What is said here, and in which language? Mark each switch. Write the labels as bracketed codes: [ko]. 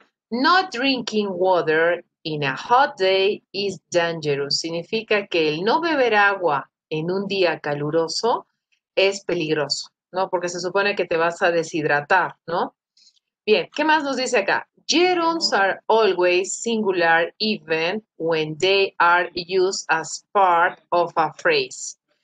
[en] Not drinking water in a hot day is dangerous. [es] Significa que el no beber agua en un día caluroso es peligroso, ¿no? Porque se supone que te vas a deshidratar, ¿no? Bien, ¿qué más nos dice acá? [en] Gerunds are always singular even when they are used as part of a phrase.